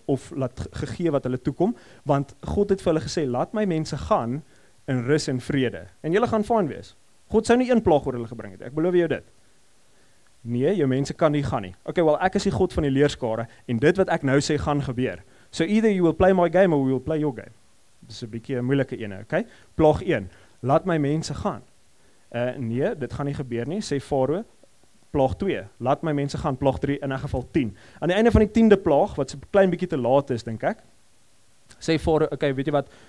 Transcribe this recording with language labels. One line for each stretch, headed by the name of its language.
Afrikaans: Of laat gegee wat hulle toekom, want God het vir hulle gesê, "Laat my mense gaan in rus en vrede." En julle gaan fyn wees. God sou nie een plaag oor hulle gebring het. Ek beloof jou dit. Nee, jou mense kan nie gaan nie. Okay, wel ek is die God van die leerskare en dit wat ek nou sê gaan gebeur.
English: So either you will play my game or we will play your game.
Afrikaans: Dis 'n bietjie 'n moeilike een, okay? Plaag 1. Laat my mense gaan. Nee, dit gaan nie gebeur nie, sê Farao. Plaag 2. Laat my mense gaan. Plaag 3, in 'n geval 10. Aan die einde van die 10de plaag, wat so 'n klein bietjie te laat is, dink ek. Sê Farao, okay, weet jy wat?